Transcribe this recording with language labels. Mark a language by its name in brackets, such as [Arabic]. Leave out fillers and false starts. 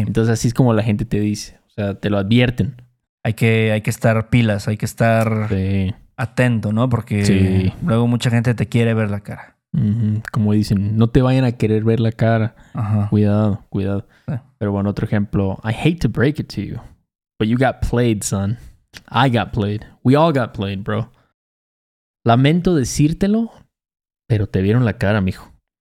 [Spanish] Entonces, así es como la gente te dice. O sea, te lo advierten. Hay que estar pilas. Hay que estar atento, ¿no? Porque luego mucha gente te quiere ver la cara. Uh-huh. Como dicen, no te vayan a querer ver la cara. Ajá. Cuidado, cuidado. Pero bueno, otro ejemplo. [English] I hate to break it to you, but you got played, son. I got played. We all got played, bro. [Spanish] Lamento decírtelo, pero te vieron la cara, mijo.